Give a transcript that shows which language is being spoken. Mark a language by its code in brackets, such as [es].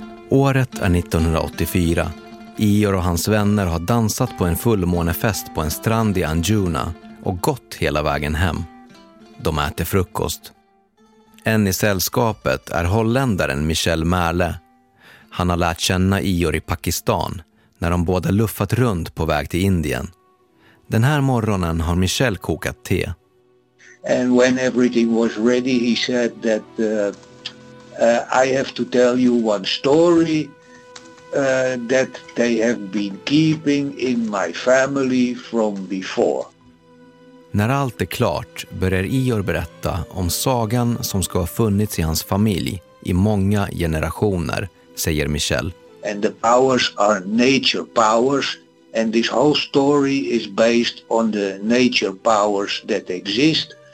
[sv] Året är 1984. Ior och hans vänner har dansat på en fullmånefest på en strand i Anjuna och gått hela vägen hem. De äter frukost. En i sällskapet är holländaren Michel Merle. Han har lärt känna Ior i Pakistan när de båda luffat runt på väg till Indien. Den här morgonen har Michel kokat te. [en] And when everything was ready he said that I have to tell you one story that they have been keeping in my family from before. [sv] När allt är klart börjar Ior berätta om sagan som ska ha funnits i hans familj i många generationer, säger Michel. [en] And the powers are nature powers and this whole story is based on the nature powers that exist.